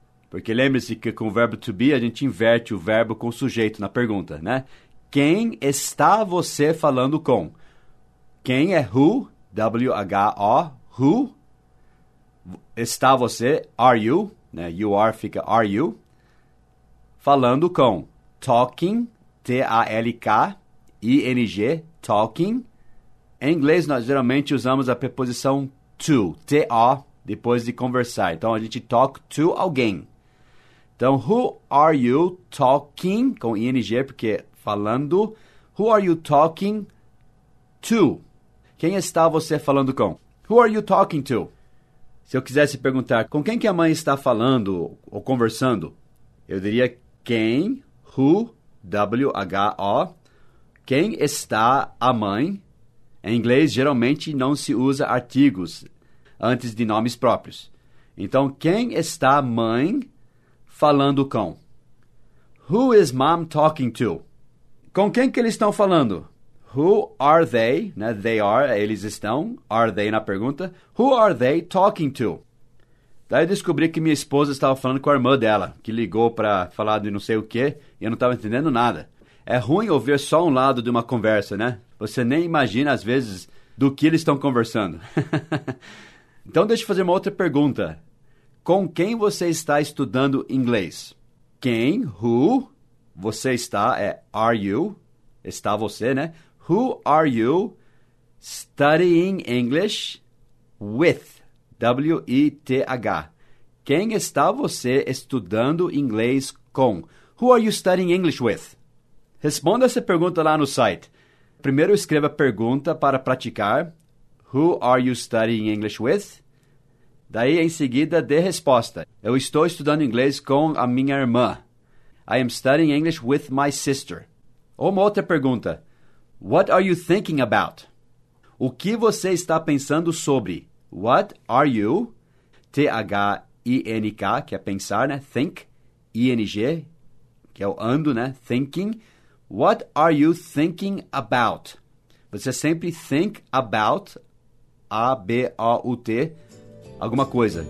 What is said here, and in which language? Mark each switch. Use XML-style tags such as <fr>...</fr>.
<pt>Porque lembre-se que com o verbo to be, a gente inverte o verbo com o sujeito na pergunta, né? Quem está você falando com? Quem é who, W-H-O, who, está você,</pt> <en>are you,</en> <pt>né?</pt> <en>You are</en> <pt>fica</pt> <en>are you,</en> <pt>falando com,</pt> <en>talking,</en> <pt>T-A-L-K-I-N-G, talking. Em inglês, nós geralmente usamos a preposição to, T-O, depois de conversar. Então, a gente</pt> <en>talk to</en> <pt>alguém.</pt> <en>Então, who are you talking, com I-N-G,</en> <pt>porque falando,</pt> <en>who are you talking to?</en> <pt>Quem está você falando com?</pt> <en>Who are you talking to?</en> <pt>Se eu quisesse perguntar com quem que a mãe está falando ou conversando, eu diria quem, who, W-H-O, quem está a mãe? Em inglês, geralmente não se usa artigos antes de nomes próprios. Então, quem está a mãe falando com?</pt> <en>Who is mom talking to?</en> <pt>Com quem que eles estão falando?</pt> <en>Who are they, né? They are,</en> <pt>eles estão,</pt> <en>are they na pergunta, who are they talking to?</en> <pt>Daí eu descobri que minha esposa estava falando com a irmã dela, que ligou para falar de não sei o quê, e eu não estava entendendo nada. É ruim ouvir só um lado de uma conversa, né? Você nem imagina, às vezes, do que eles estão conversando. Então, deixa eu fazer uma outra pergunta. Com quem você está estudando inglês? Quem, who, você está, é</pt> <en>are you,</en> <pt>está você, né?</pt> <en>Who are you studying English with? W-E-T-H.</en> <pt>Quem está você estudando inglês com?</pt> <en>Who are you studying English with?</en> <pt>Responda essa pergunta lá no site. Primeiro escreva a pergunta para praticar.</pt> <en>Who are you studying English with?</en> <pt>Daí, em seguida, dê resposta. Eu estou estudando inglês com a minha irmã.</pt> <en>I am studying English with my sister.</en> <pt>Ou uma outra pergunta.</pt> <en>What are you thinking about?</en> <pt>O que você está pensando sobre?</pt> <en>What are you, T-H-I-N-K,</en> <pt>que é pensar,</pt> <en>né? Think, I-N-G,</en> <pt>que é o ando,</pt> <en>né? Thinking. What are you thinking about?</en> <pt>Você sempre</pt> <en>think about,</en> <pt>A-B-O-U-T, alguma coisa.</pt>